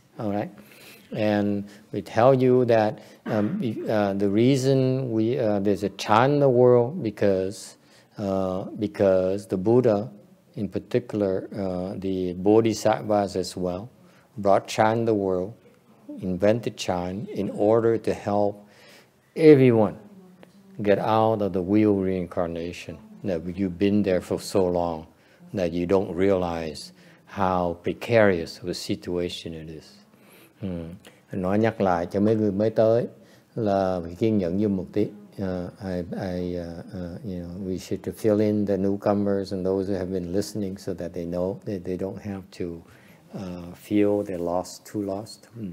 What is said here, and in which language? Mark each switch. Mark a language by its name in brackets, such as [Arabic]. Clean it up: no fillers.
[English] Alright, and we tell you that the reason there's a chan in the world because the Buddha, in particular the Bodhisattvas as well, brought chan in the world invented chant in order to help everyone get out of the wheel reincarnation that you've been there for so long that you don't realize how precarious the situation it is. [Vietnamese] Nói nhắc lại cho mấy người mới tới là kiên nhẫn dùng một tí. [English] We should fill in the newcomers and those who have been listening so that they know that they don't have to feel they're lost, too lost.